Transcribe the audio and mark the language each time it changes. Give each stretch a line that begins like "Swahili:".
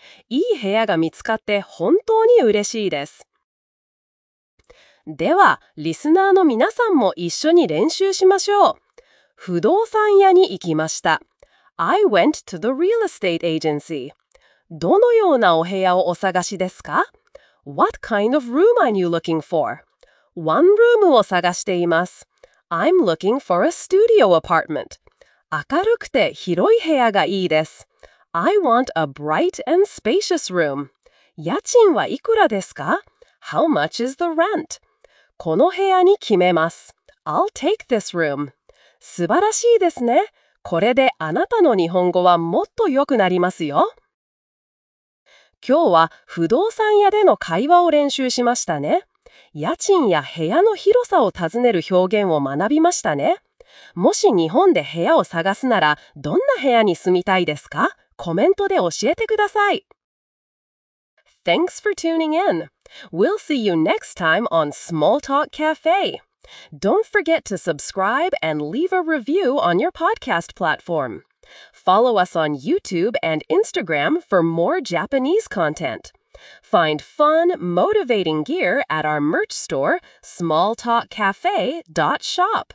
Japanese: いい部屋が見つかって本当に嬉しいです。では、リスナーの皆さんも一緒に練習しましょう。不動産屋に行きました。
English: I went to the real estate agency.
Japanese: どのようなお部屋をお探しですか？
English: What kind of room are you looking for? One room
Japanese: を探しています。
English: I'm looking for a studio apartment.
Japanese: 明るくて広い部屋がいいです。
English: I want a bright and spacious room.
Japanese: 家賃はいくらですか ?
English: How much is the rent?
Japanese: この部屋に決めます。
English: I'll take this room.
Japanese: 素晴らしいですね。これであなたの日本語はもっと良くなりますよ。今日は不動産屋での会話を練習しましたね。家賃や部屋の広さを尋ねる表現を学びましたね。もし日本で部屋を探すなら、どんな部屋に住みたいですか？コメントで教えてください。
English: Thanks for tuning in. We'll see you next time on Small Talk Cafe. Don't forget to subscribe and leave a review on your podcast platform. Follow us on YouTube and Instagram for more Japanese content. Find fun, motivating gear at our merch store, smalltalkcafe.shop.